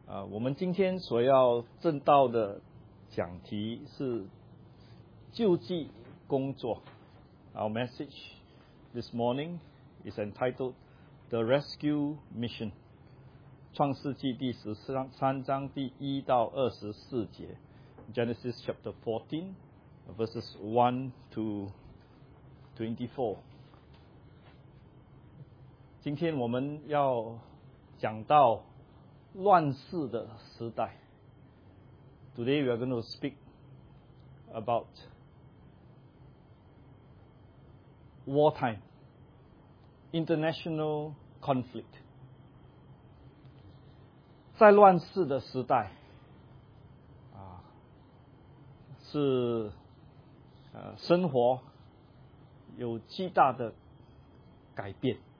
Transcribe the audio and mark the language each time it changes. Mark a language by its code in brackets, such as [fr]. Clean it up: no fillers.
[zh] 我们今天所要证道的讲题是救济工作。 [en] Our message this morning is entitled The Rescue Mission. [zh] 创世纪第13章第1到24节。 [en] Genesis chapter 14, verses 1 to 24. [zh] 今天我们要讲到乱世的时代。 [en] Today we are going to speak about wartime, international conflict. [zh] 在乱世的时代，是生活有极大的改变。